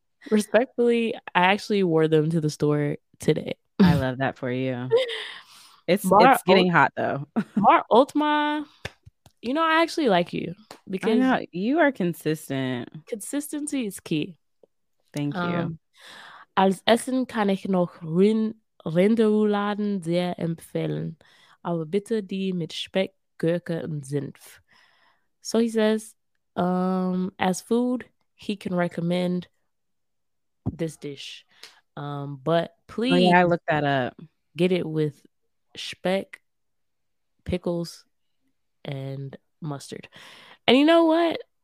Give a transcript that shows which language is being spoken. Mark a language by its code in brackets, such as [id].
[en] Respectfully, I actually wore them to the store today. I love that for you. It's getting hot though. Mar Ultima, you know, I actually like you because you are consistent. Consistency is key. Thank you. [de] Als Essen kann ich noch Rinderrouladen sehr empfehlen, aber bitte die mit Speck, Gurke und Senf. [en] So he says, as food, he can recommend this dish. But please, I looked that up. Get it with Speck, pickles, and mustard. And you know what?